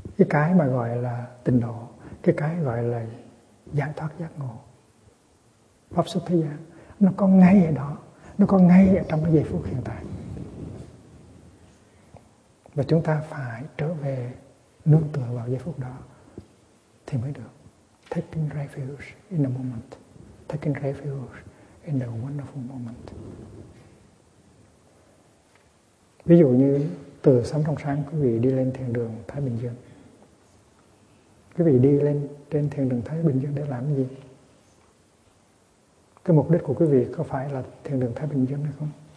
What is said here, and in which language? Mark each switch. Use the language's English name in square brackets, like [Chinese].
[Vietnamese] Cái mà gọi là tịnh độ, cái gọi là giải thoát giác ngộ, pháp xuất thế gian, nó có ngay ở đó, nó có ngay ở trong cái giây phút hiện tại. Và chúng ta phải trở về nương tựa vào giây phút đó thì mới được. [English] Taking refuge in the moment, taking refuge in the wonderful moment. [Vietnamese] Ví dụ như từ sáng trong sáng quý vị đi lên thiền đường Thái Bình Dương. Quý vị đi lên trên thiền đường Thái Bình Dương để làm gì? Cái mục đích của quý vị có phải là thiền đường Thái Bình Dương hay không?